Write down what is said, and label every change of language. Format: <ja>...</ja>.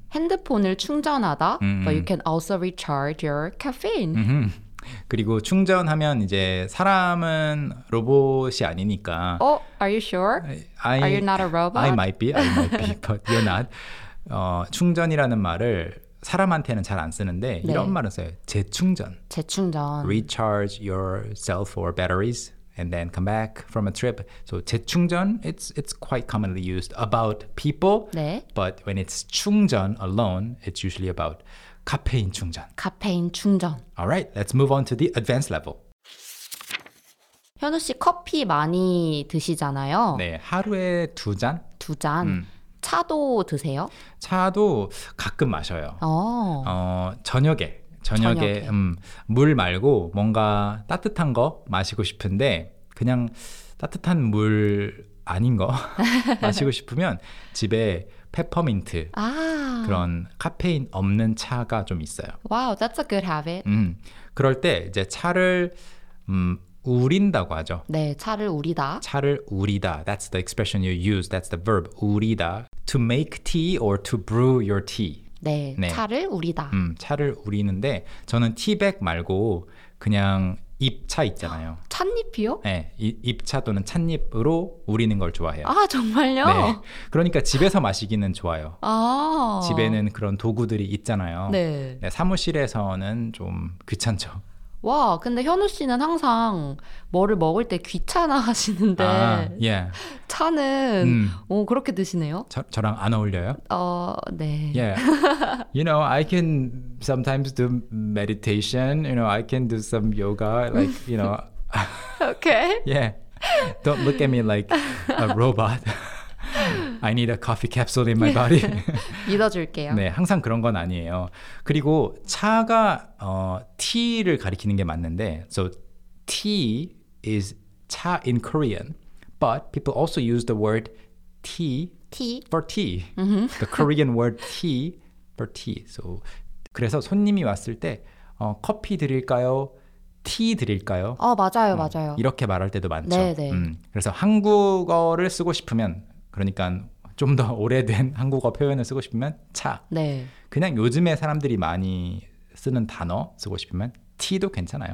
<ko>핸드폰을 충전하다.</ko> <en>Mm-hmm. But you can also recharge your caffeine. Mm-hmm.</en> <ko>그리고 충전하면 이제 사람은 로봇이 아니니까.</ko> <en>Oh, are you sure? Are you not a robot? I might be, but you're not.</en> <ko>충전이라는 말을 사람한테는 잘 안 쓰는데 네. 이런 말은 써요. 재충전. 재충전.</ko> <en>Recharge yourself or batteries and then come back from a trip. So 재충전, it's quite commonly used about people.</en> <ko>네.</ko> <en>But when it's 충전 alone, it's usually about 카페인 충전.</en> <ko>카페인 충전.</ko> <en>All right, let's move on to the advanced level.</en> <ko>현우 씨 커피 많이 드시잖아요. 네, 하루에 두 잔. 두 잔. 차도 드세요? 차도 가끔 마셔요. 오. 저녁에. 물 말고 뭔가 따뜻한 거 마시고 싶은데 그냥 따뜻한 물 아닌 거 마시고 싶으면 집에 페퍼민트 아. 그런 카페인 없는 차가 좀 있어요.</ko> <en>와우, wow, that's a good habit.</en> <ko>그럴 때 이제 차를 우린다고 하죠. 네, 차를 우리다. 차를 우리다.</ko> <en>That's the expression you use. That's the verb. 우리다. To make tea or to brew your tea.</en> <ko>네, 네. 차를 우리다. 차를 우리는데 저는 티백 말고 그냥 잎차 있잖아요. 찻잎이요? 네, 잎차 또는 찻잎으로 우리는 걸 좋아해요. 아, 정말요? 네, 그러니까 집에서 마시기는 좋아요. 아. 집에는 그런 도구들이 있잖아요. 네. 네, 사무실에서는 좀 귀찮죠. 와, 근데 현우 씨는 항상 뭐를 먹을 때 귀찮아 아, 하시는데 예. 차는 그렇게 드시네요? 저랑 안 어울려요? 네.</ko> <en>Yeah. You know, I can sometimes do meditation. You know, I can do some yoga. Like, you know, yeah. Don't look at me like a robot. I need a coffee capsule in my body.</en> <ko>믿어줄게요. 네, 항상 그런 건 아니에요. 그리고 차가 tea를 가리키는 게 맞는데,</ko> <en>so tea is 차 in Korean, but people also use the word tea T. for tea, the Korean word tea for tea.</en> <ko>So 그래서 손님이 왔을 때 커피 드릴까요? 티 드릴까요? 맞아요, 맞아요. 이렇게 말할 때도 많죠. 네. 그래서 한국어를 쓰고 싶으면 그러니까 좀더 오래된 한국어 표현을 쓰고 싶으면 차. 네. 그냥 요즘에 사람들이 많이 쓰는 단어 쓰고 싶으면 티도 괜찮아요.</ko>